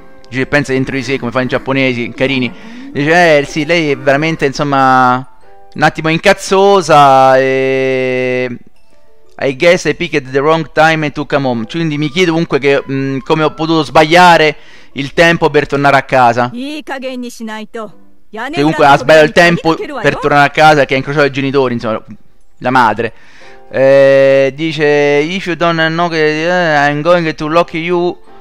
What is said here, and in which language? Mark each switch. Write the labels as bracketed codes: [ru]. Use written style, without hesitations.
[it] Dice, pensa dentro di sé come fanno i giapponesi, carini. Dice, sì, lei è veramente, insomma, un attimo incazzosa e... [en] I guess I picked the wrong time to come home. [it] Quindi mi chiedo comunque che come ho potuto sbagliare il tempo per tornare a casa. Comunque ha sbagliato il tempo per tornare a casa, che ha incrociato i genitori, insomma, la madre. Dice, [en] if you don't know I'm going to lock you.